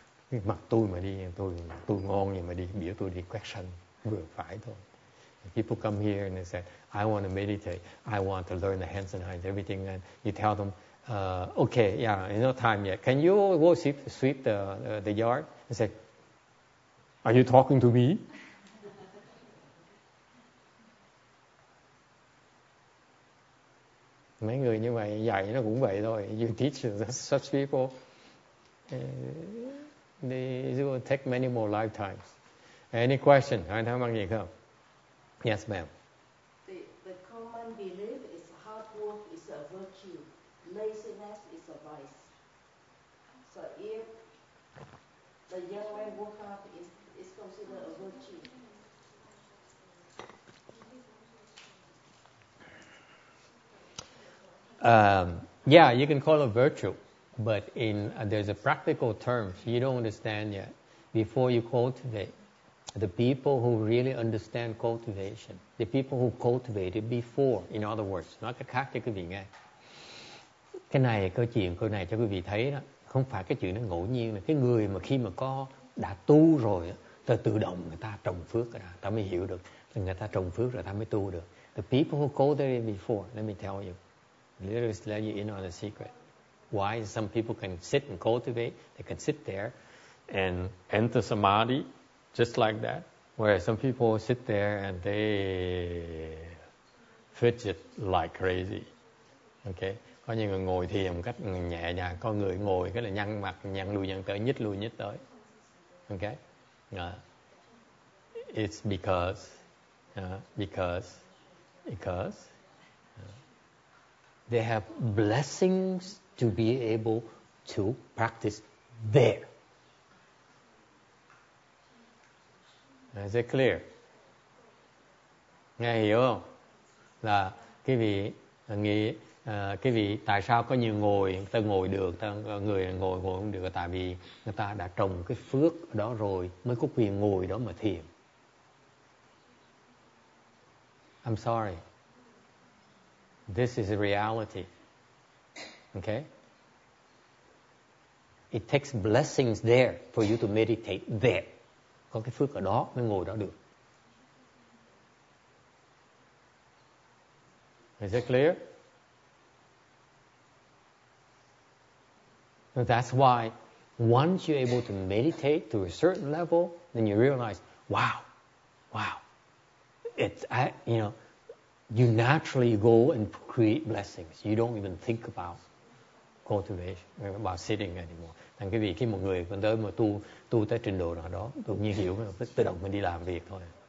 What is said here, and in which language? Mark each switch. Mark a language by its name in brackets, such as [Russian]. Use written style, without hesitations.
[Vietnamese] Mặt tôi mà đi, tôi ngon gì mà đi, biểu tôi đi quét sân, vừa phải thôi. [English] People come here and they say, I want to meditate, I want to learn the hands and eyes, everything. And you tell them, okay, yeah, it's not time yet. Can you go sweep the yard? And say, are you talking to me? [Vietnamese] Mấy người như vậy dạy nó cũng vậy thôi. [English] You teach such people, they will take many more lifetimes. Any question? [Vietnamese] Anh thắc mắc gì không? [English] Yes, ma'am. The common belief is hard work is a virtue, laziness is a vice. So if the young man work hard, is considered a virtue. Yeah, you can call it virtue, but there's a practical term you don't understand yet. Before you cultivate. The people who really understand cultivation, the people who cultivated before, in other words, [Vietnamese] nói cách khác cho quý vị nghe. Cái này, câu chuyện câu này cho quý vị thấy đó, không phải cái chuyện nó ngẫu nhiên. Cái người mà khi mà có, đã tu rồi, ta tự động người ta trồng phước rồi, ta mới hiểu được. Người ta trồng phước rồi, ta mới tu được. [English] The people who cultivated before, let me tell you, literally let you in on the secret. Why some people can sit and cultivate, they can sit there and enter samadhi, just like that, where some people sit there and they fidget like crazy. [Vietnamese] Okay, có những người ngồi thiền một cách nhẹ nhàng, có người ngồi cái là nhăn mặt, nhăn lùi nhăn tới, nhích lùi nhích tới. [English] Okay, it's because they have blessings to be able to practice there. Is it clear? [Vietnamese] Nghe hiểu không? Là cái vị nghĩ cái vị tại sao có nhiều người ta ngồi được, người ngồi ngồi không được, tại vì người ta đã trồng cái phước đó rồi mới có quyền ngồi đó mà thiền. [English] I'm sorry. This is a reality. Okay? It takes blessings there for you to meditate there. [Vietnamese] Có cái phước ở đó mới ngồi đó được. [English] Is it clear? So that's why once you're able to meditate to a certain level, then you realize, wow, you naturally go and create blessings. You don't even think about cultivation, about sitting anymore. [Vietnamese] Thành cái việc khi một người còn tới mà tu tới trình độ nào đó, tự nhiên hiểu, tự động mình đi làm việc thôi.